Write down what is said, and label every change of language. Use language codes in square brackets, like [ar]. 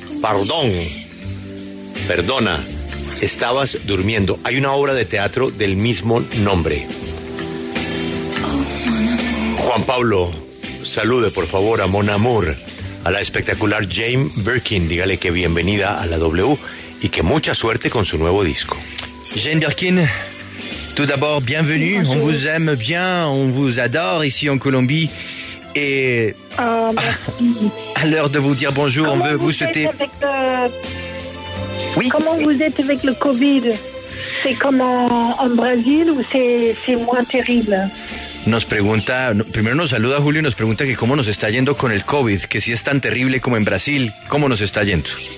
[es] Perdón, perdona, estabas durmiendo. Hay una obra de teatro del mismo nombre. Juan Pablo, salude por favor a Mon Amour, a la espectacular Jane Birkin. Dígale que bienvenida a la W y que mucha suerte con su nuevo disco. [fr] Jane Birkin, tout d'abord, bienvenue. On vous aime bien, on vous adore ici en Colombie. Et à l'heure de vous dire bonjour, comment on veut vous souhaiter. Oui. Comment vous êtes avec le Covid? C'est comme en Brésil ou c'est moins terrible? [es] Nos pregunta, primero nos saluda Julio y nos pregunta que cómo nos está yendo con el COVID, que si es tan terrible como en Brasil, ¿cómo nos está yendo?